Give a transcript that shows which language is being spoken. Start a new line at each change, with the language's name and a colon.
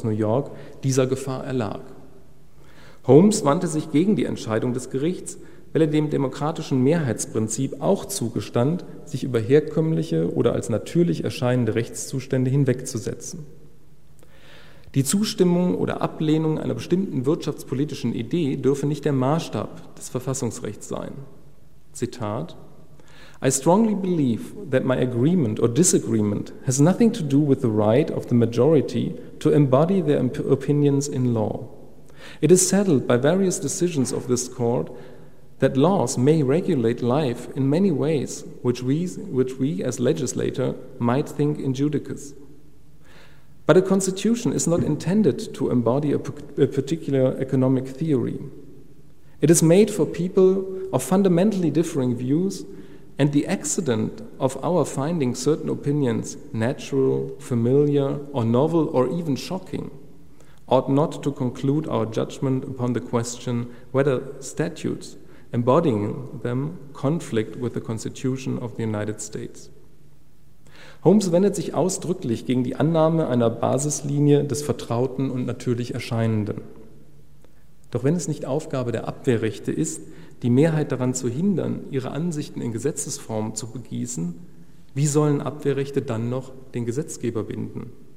German: New York dieser Gefahr erlag. Holmes wandte sich gegen die Entscheidung des Gerichts, weil er dem demokratischen Mehrheitsprinzip auch zugestand, sich über herkömmliche oder als natürlich erscheinende Rechtszustände hinwegzusetzen. Die Zustimmung oder Ablehnung einer bestimmten wirtschaftspolitischen Idee dürfe nicht der Maßstab des Verfassungsrechts sein.
English: Zitat: I strongly believe that my agreement or disagreement has nothing to do with the right of the majority to embody their opinions in law. It is settled by various decisions of this court that laws may regulate life in many ways which we as legislator might think injudicious. But a constitution is not intended to embody a particular economic theory. It is made for people of fundamentally differing views, and the accident of our finding certain opinions natural, familiar, or novel, or even shocking, ought not to conclude our judgment upon the question whether statutes embodying them conflict with the Constitution of the United States.
German: Holmes wendet sich ausdrücklich gegen die Annahme einer Basislinie des Vertrauten und natürlich Erscheinenden. Doch wenn es nicht Aufgabe der Abwehrrechte ist, die Mehrheit daran zu hindern, ihre Ansichten in Gesetzesform zu begießen, wie sollen Abwehrrechte dann noch den Gesetzgeber binden?